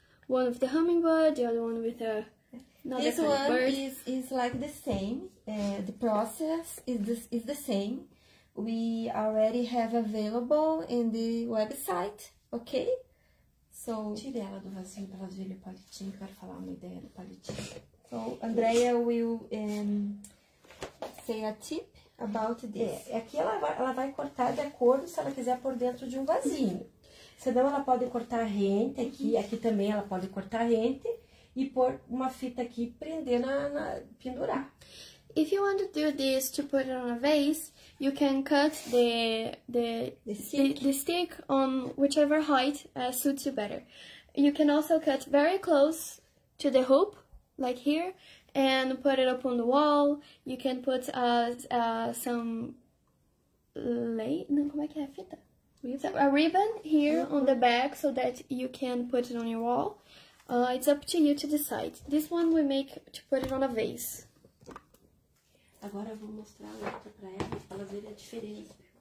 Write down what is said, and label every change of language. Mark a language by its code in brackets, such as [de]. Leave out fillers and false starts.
[en] One of the hummingbird, the other one with another hummingbird. This one is like the same. The process is the same. We already have available in the website, okay? So [pt] tire ela do vasinho para fazer o palitinho, quero falar uma ideia do palitinho. [en] So, Andrea will say a tip about this. [pt] Aqui ela vai cortar de acordo se ela quiser por dentro de um vasinho. Senão ela pode cortar a rente aqui, aqui também ela pode cortar a rente e pôr uma fita aqui e prender na pendurar. [en] If you want to do this to put it on a vase, you can cut the stick on whichever height suits you better. You can also cut very close to the hoop, like here, and put it up on the wall. You can put some a ribbon here on the back so that you can put it on your wall. It's up to you to decide. This one we make to put it on a vase. [pt] Agora eu vou mostrar a outra pra ela, pra ela ver a diferença.